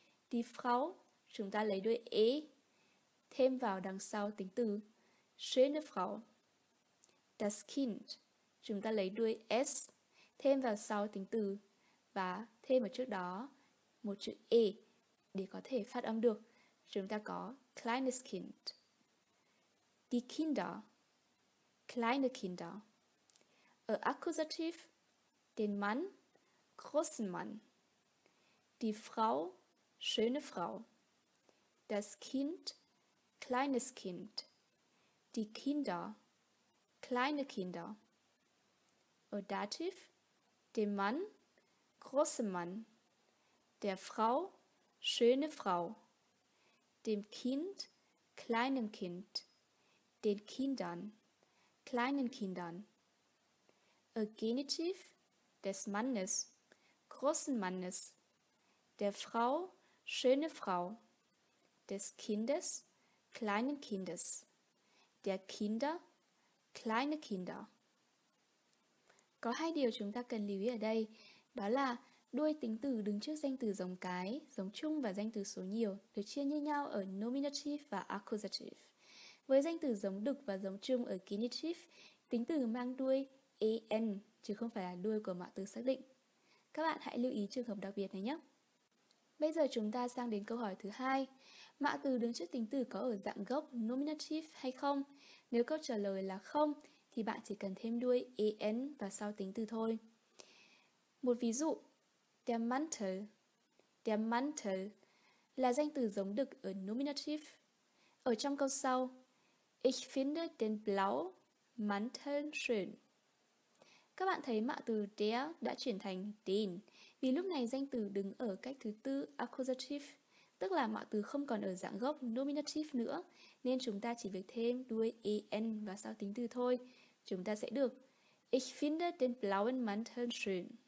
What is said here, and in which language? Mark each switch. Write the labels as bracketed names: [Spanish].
[German] Die Frau, [Vietnamese] chúng ta lấy đuôi e thêm vào đằng sau tính từ [German] schöne Frau. Das Kind, [Vietnamese] chúng ta lấy đuôi s thêm vào sau tính từ và thêm ở trước đó một chữ e để có thể phát âm được. Chúng ta có [German] kleines Kind. Die Kinder, kleine Kinder. [Vietnamese] Ở [German] accusative, den Mann, großen Mann. Die Frau, schöne Frau. Das Kind, kleines Kind. Die Kinder, kleine Kinder. Ở dative, dem Mann, großen Mann. Der Frau, schöne Frau. Dem Kind, kleinem Kind. Den Kindern, kleinen Kindern. Ö genitiv, des Mannes, großen Mannes. Der Frau, schöne Frau. Des Kindes, kleinen Kindes. Der Kinder, kleine Kinder. [Vietnamese] Có hai điều chúng ta cần lưu ý ở đây, đó là đuôi tính từ đứng trước danh từ giống cái, giống chung và danh từ số nhiều được chia như nhau ở nominative và accusative. Với danh từ giống đực và giống chung ở genitive, tính từ mang đuôi an chứ không phải là đuôi của mạo từ xác định. Các bạn hãy lưu ý trường hợp đặc biệt này nhé. Bây giờ chúng ta sang đến câu hỏi thứ hai. Mạo từ đứng trước tính từ có ở dạng gốc nominative hay không? Nếu câu trả lời là không, thì bạn chỉ cần thêm đuôi an vào sau tính từ thôi. Một ví dụ, [German] der Mantel. Der Mantel [Vietnamese] là danh từ giống đực ở nominative. Ở trong câu sau, [German] Ich finde den blauen Mantel schön. [Vietnamese] Các bạn thấy mạ từ der đã chuyển thành den, vì lúc này danh từ đứng ở cách thứ tư accusative, tức là mạ từ không còn ở dạng gốc nominative nữa, nên chúng ta chỉ việc thêm đuôi en và sau tính từ thôi. Chúng ta sẽ được [German] Ich finde den blauen Mantel schön.